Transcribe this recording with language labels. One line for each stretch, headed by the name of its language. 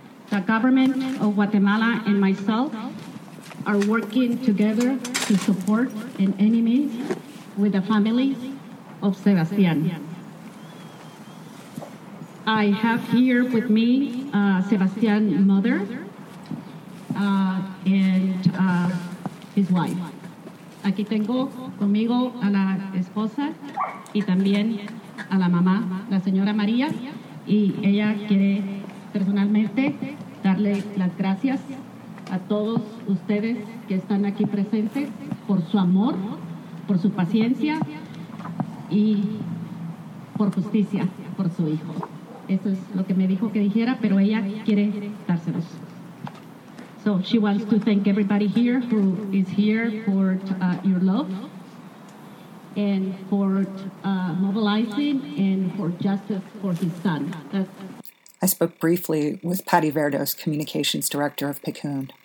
English: The government of Guatemala and myself are working together to support in any means with the families of Sebastian. I have here with me Sebastian's mother and his wife.
Spanish: Aquí tengo conmigo a la esposa y también a la mamá, la señora María, y ella quiere personalmente darle las gracias a todos ustedes que están aquí presentes por su amor, por su paciencia y por justicia por su hijo. Eso es lo que me dijo que dijera, pero ella quiere dárselos.
English: So she wants to thank everybody here who is here for your love and for mobilizing and for justice for his son. I spoke briefly with Patty Verdos, Communications Director of PICCOON.